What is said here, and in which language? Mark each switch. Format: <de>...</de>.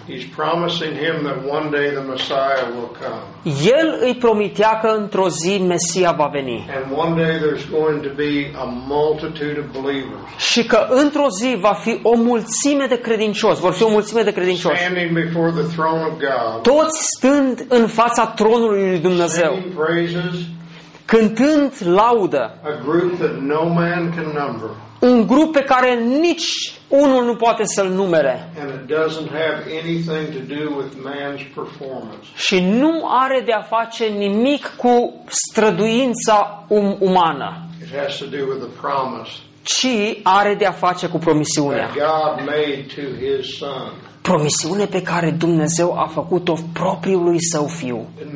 <en>He's promising him that one day the Messiah will come.</en> <ro>El îi promitea că într-o zi Mesia va veni.</ro> <en>And one day there's going to be a multitude of believers.</en> <ro>Și că într-o zi va fi o mulțime de credincioși, vor fi o mulțime de credincioși.</ro> <en>Standing before the throne of God.</en> <ro>Toți stând în fața tronului lui Dumnezeu.</ro> <en>Singing praises.</en> <ro>Cântând laudă.</ro> <en>A group that no man can number.</en> <ro>Un grup pe care nici unul nu poate să-l numere.</ro> <en>And it doesn't have anything to do with man's performance.</en> <ro>Și nu are de a face nimic cu străduința umană.</ro> <en>It has to do with the promise.</en> <ro>Ci are de a face cu promisiunea.</ro> <en>That God made to his son.</en> <ro>Promisiune pe care Dumnezeu a făcut-o propriului său fiu.</ro>